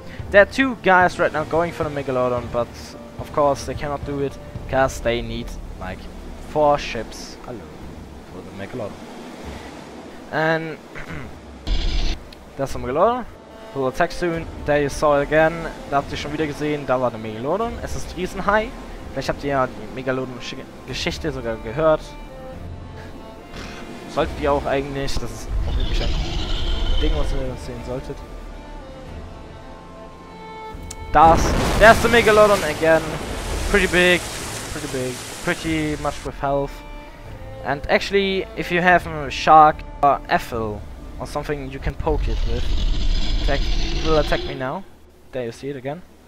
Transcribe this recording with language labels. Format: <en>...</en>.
<en>There are two guys right now going for the Megalodon, but of course they cannot do it because they need like four ships alone for the Megalodon. And there's the Megalodon, who will attack soon. There you saw it again,</en> <de>da habt ihr schon wieder gesehen, da war der Megalodon. Es ist Riesenhai. Vielleicht habt ihr ja die Megalodon-Geschichte sogar gehört. Solltet ihr auch eigentlich, das ist auch wirklich ein Ding, was ihr sehen solltet.</de> <en>There's the Megalodon again, pretty big, pretty much with health. And actually, if you have a shark or Ethel or something you can poke it with, it will attack me now. There you see it again.</en>